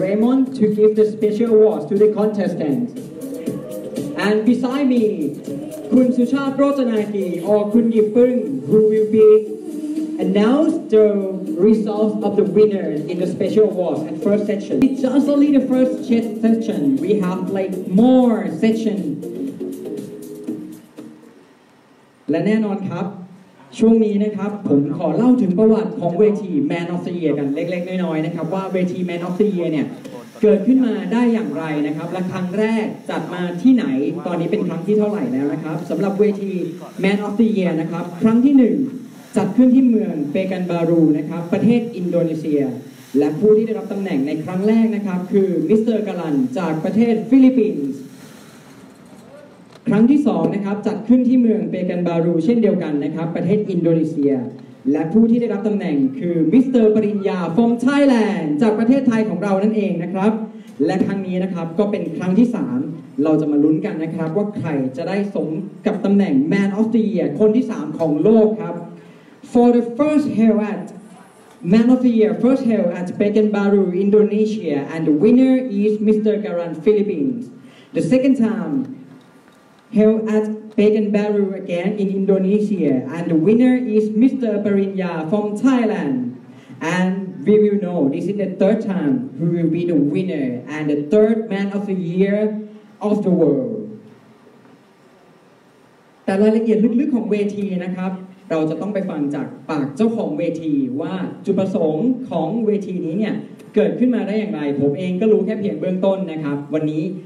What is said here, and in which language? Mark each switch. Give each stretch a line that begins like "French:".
English: Raymond to give the special award to the contestant. And beside me, Kun Suchat Rotanaki or Kun Yipeng, who will be announced the results of the winner in the special awards and first section. It's just only the first section. We have like more section.
Thai: และแน่นอนครับช่วงนี้นะครับผมขอเล่าถึงประวัติของเวที Man of the Year กันเล็กๆน้อยๆนะครับว่าเวที Man of the Year เนี่ยเกิดขึ้นมาได้อย่างไรนะครับและครั้งแรกจัดมาที่ไหนตอนนี้เป็นครั้งที่เท่าไหร่แล้วนะครับสำหรับเวที Man of the Year นะครับครั้งที่1จัดขึ้นที่เมืองเปกันบารูนะครับประเทศอินโดนีเซียและผู้ที่ได้รับตำแหน่งในครั้งแรกนะครับคือมิสเตอร์การันจากประเทศฟิลิปปินส์ ครั้งที่2นะครับจัดขึ้นที่เมืองเปกันบารูเช่นเดียวกันนะครับประเทศอินโดนีเซียและผู้ที่ได้รับตำแหน่งคือมิสเตอร์ปริญญาฟอมไทยแลนด์จากประเทศไทยของเรานั่นเองนะครับและครั้งนี้นะครับก็เป็นครั้งที่3เราจะมาลุ้นกันนะครับว่าใครจะได้สมกับตำแหน่ง Man of the Year คนที่3ของโลกครับ
English: For the first held at Man of the Year first held at Pekanbaru Indonesia and the winner is Mr. Karan Philippines the second timeheld at Pekanbaru again in Indonesia and the winner is Mr. Parinya from Thailand and we will know this is the third time who will be the winner and the third man of the year of the world
Thai: แต่รายละเอียดลึกๆของเวทีนะครับเราจะต้องไปฟังจากปากเจ้าของเวทีว่าจุดประสงค์ของเวทีนี้เนี่ยเกิดขึ้นมาได้อย่างไรผมเองก็รู้แค่เพียงเบื้องต้นนะครับวันนี้